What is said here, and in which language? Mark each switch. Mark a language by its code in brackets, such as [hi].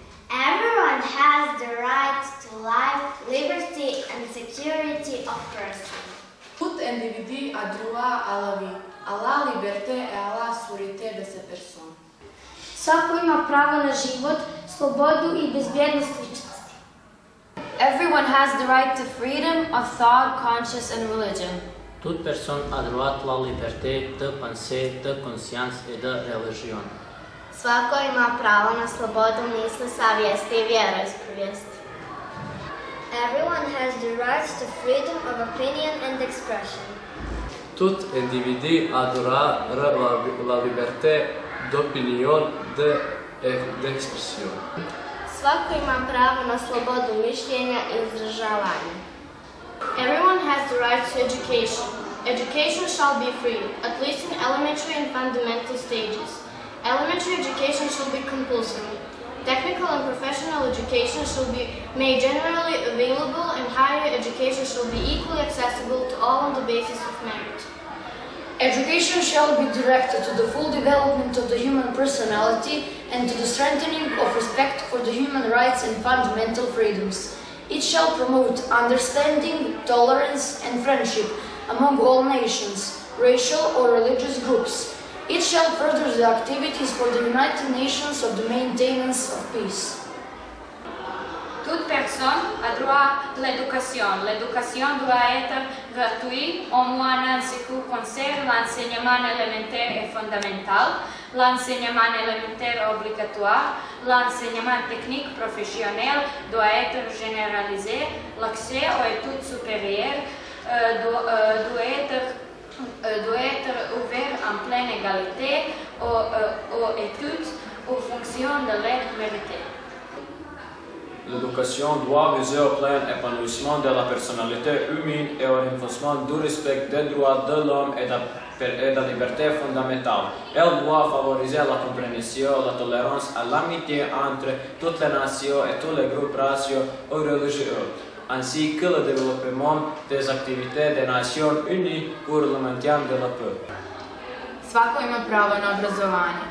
[en] Everyone has the right to life, liberty and security of person. [fr] Tout individu a droit à la vie. Allah liberté et Allah surité de sa personne. [sr] Svako ima pravo na život, slobodu i bezbjednost ličnosti. [en] Everyone has the right to freedom of thought, conscience and religion. [fr] Toute personne a droit à la liberté de penser, de conscience et de religion. [sr] Svako ima pravo na slobodu misli, savjesti i vjeroispovijesti. [en] Everyone has the right to freedom of opinion and expression. [fr] Tout individu a droit à la liberté d'opinion et d'expression. [sr] Svako ima pravo na slobodu mišljenja i izražavanja. [en] Everyone has the right to education. Education shall be free, at least in elementary and fundamental stages. Elementary education shall be compulsory. Technical and professional education shall be made generally available, and higher education shall be equally accessible to all on the basis of merit. Education shall be directed to the full development of the human personality and to the strengthening of respect for the human rights and fundamental freedoms. It shall promote understanding, tolerance, and friendship among all nations, racial or religious groups. It shall further the activities for the United Nations of the maintenance of peace. [fr] Toute personne a droit à l'éducation. L'éducation doit être gratuite au moins en ce qui concerne l'enseignement élémentaire et fondamental, l'enseignement élémentaire obligatoire, l'enseignement technique professionnel doit être généralisé, l'accès aux études supérieures doit être ouvert en pleine égalité aux études en fonction de leur mérite. L'éducation doit viser au plein épanouissement de la personnalité humaine et au renforcement du respect des droits de l'homme et de la liberté fondamentale. Elle doit favoriser la compréhension, la tolérance et l'amitié entre toutes les nations et tous les groupes raciaux ou religieux, ainsi que le développement des activités des Nations Unies pour le maintien de la paix. [sr] Svako ima pravo na obrazovanje.